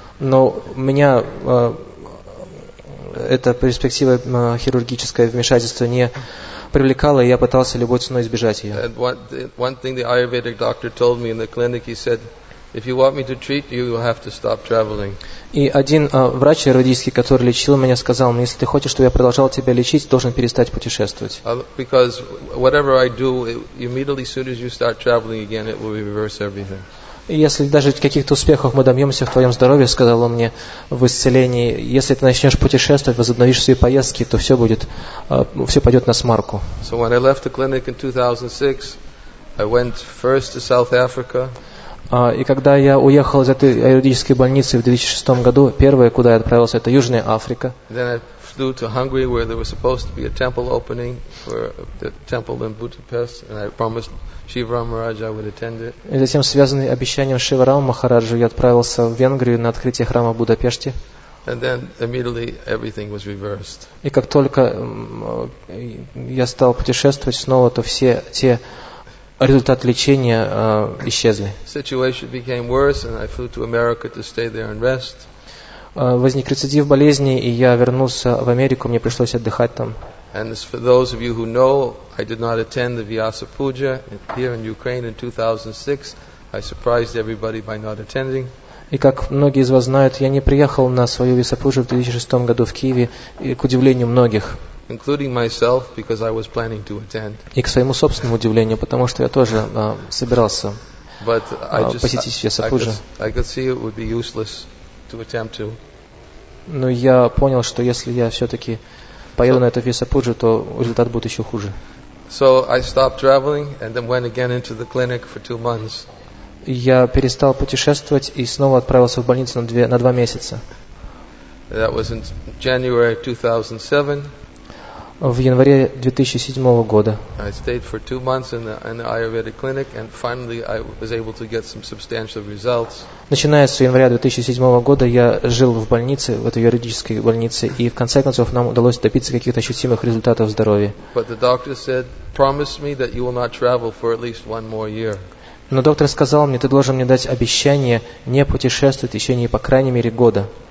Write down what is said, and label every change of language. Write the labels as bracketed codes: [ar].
[ru] Но у меня эта перспектива хирургическое вмешательство не привлекала, и я пытался любой ценой избежать ее. [en] And one thing the Ayurvedic doctor told me in the clinic, he said, if you want me to treat you, you have to stop traveling. [ru] И один врач иерудийский, который лечил меня, сказал мне, если ты хочешь, чтобы я продолжал тебя лечить, должен перестать путешествовать. [en] Because whatever I do, immediately, as soon as you start traveling again, it will reverse everything. [ru] Если даже каких-то успехов мы добьемся в твоем здоровье, сказал он мне в исцелении, если ты начнешь путешествовать, возобновишь свои поездки, то все будет, все пойдет на смарку. [en] So when I left the clinic in 2006, I went first to South Africa. [ru] И когда я уехал из этой аюрведической больницы в 2006 году, первое, куда я отправился, это Южная Африка. [en] Then I flew to Hungary, where there was supposed to be a temple opening for the temple in Budapest, and I promised Shivaram Maharaj I would attend it. [ru] И затем, связанный обещанием Шиварама Махараджа, я отправился в Венгрию на открытие храма в Будапеште. [en] And then immediately everything was reversed. [ru] И как только я стал путешествовать снова, то все те результат лечения исчезли. [en] Situation became worse, and I flew to America to стay there and rest. [ru] Возник рецидив болезни, и я вернулся в Америку, мне пришлось отдыхать там. [en] And for those of you who know, I did not attend the Vyasa Puja here in Ukraine in 2006. I surprised everybody by not attending. [ru] И как многие из вас знают, я не приехал на свою Vyasa Puja в 2006 году в Киеве, и к удивлению многих. [en] Including myself, because I was planning to attend. [ru] И к своему собственному удивлению, потому что я тоже собирался посетить Vyasa Puja. [en] I could see it would be useless to attempt to. [ru] Но я понял, что если я все-таки поеду на эту Vyasa Puja, то результат будет еще хуже. [en] So I stopped traveling and then went again into the clinic for 2 months. [ru] Я перестал путешествовать и снова отправился в больницу на 2 месяца. [en] That was in January 2007. [ru] В январе 2007 года. [en] I stayed for 2 months in the Ayurvedic clinic, and finally I was able to get some substantial results. [ru] Начиная с января 2007 года я жил в больнице, в этой юридической больнице, и в конце концов нам удалось добиться каких-то ощутимых результатов здоровья. [en] But the doctor said, promise me that you will not travel for at least one more year. [ru] Но доктор сказал мне, ты должен мне дать обещание не путешествовать в течение, по крайней мере, года.